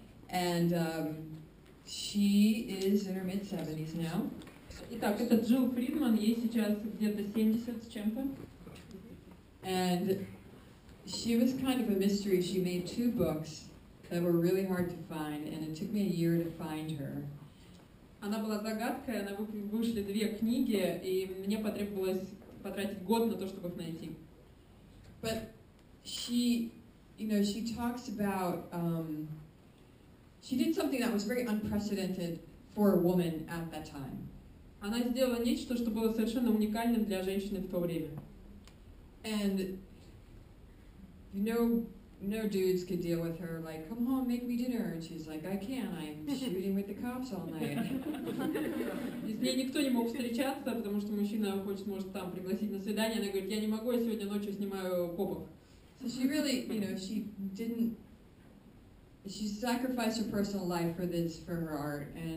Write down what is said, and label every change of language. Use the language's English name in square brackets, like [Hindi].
[English] And she is in her mid-70s now. [Russian] Итак, это Джилл Фридман, ей сейчас где-то 70 с чем-то. [English] And she was kind of a mystery. She made two books that were really hard to find, and it took me a year to find her. [Russian] Она была загадкой, она вышли две книги, и мне потребовалось потратить год на то, чтобы их найти. [English] But she, you know, she talks about, she did something that was very unprecedented for a woman at that time. [Russian] Она сделала нечто, что было совершенно уникальным для женщины в то время. [English] And you know, no dudes could deal with her, like, come home, make me dinner. And she's like, I can't, I'm shooting with the cops all night. [Russian] И с ней никто не мог встречаться, потому что мужчина хочет, может, там пригласить на свидание. Она говорит, я не могу, я сегодня ночью снимаю копов. [English] So she really, you know, she didn't, she sacrificed her personal life for this, for her art.